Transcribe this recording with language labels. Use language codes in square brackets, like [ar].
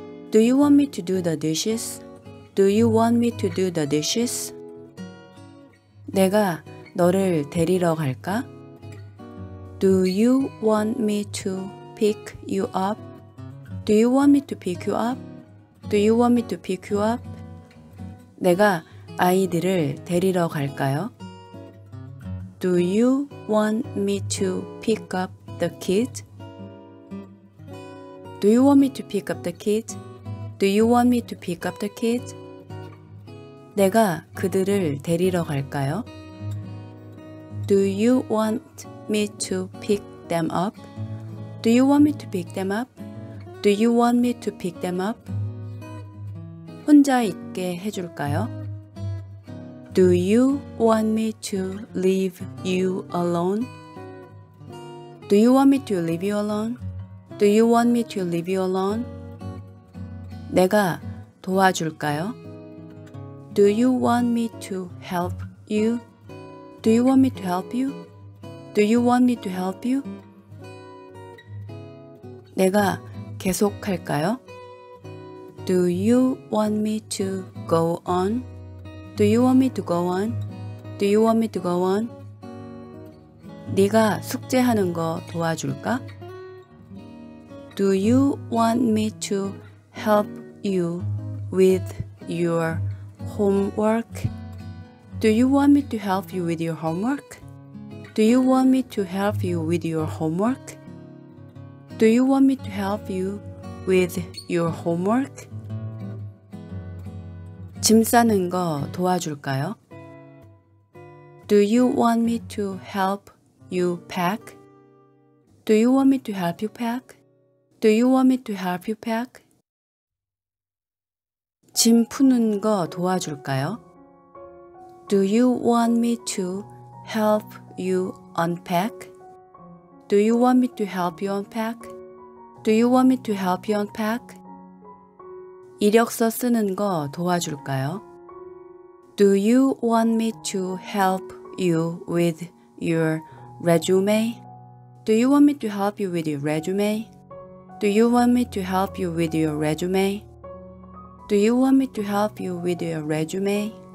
[en] Do you want me to do the dishes? Do you want me to do the dishes? [ko] 내가 너를 데리러 갈까? [en] Do you want me to pick you up? Do you want me to pick you up? Do you want me to pick you up? [ko] 내가 아이들을 데리러 갈까요? [en] Do you want me to pick up the kids? Do you want me to pick up the kids? Do you want me to pick up the kids? [ko] 내가 그들을 데리러 갈까요? [en] Do you want me to pick them up? Do you want me to pick them up? Do you want me to pick them up? [ko] 혼자 있게 해줄까요? [en] Do you want me to leave you alone? Do you want me to leave you alone? Do you want me to leave you alone? [ko] 내가 도와줄까요? [en] Do you want me to help you? Do you want me to help you? Do you want me to help you? [ko] 내가 계속할까요? [en] Do you want me to go on? Do you want me to go on? Do you want me to go on? [ko] 네가 숙제하는 거 도와줄까? [en] Do you want me to help you with your homework? Do you want me to help you with your homework? Do you want me to help you with your homework? Do you want me to help you with your homework? [ko] 짐 싸는 거 도와줄까요? [en] Do you want me to help you pack? Do you want me to help you pack? Do you want me to help you pack? [ko] 짐 푸는 거 도와줄까요? [en] Do you want me to help you unpack? Do you want me to help you unpack? Do you want me to help you unpack? [ko] 이력서 쓰는 거 도와줄까요? [en] Do you want me to help you with your resume? Do you want me to help you with your resume? Do you want me to help you with your resume? Do you want me to help you with your resume?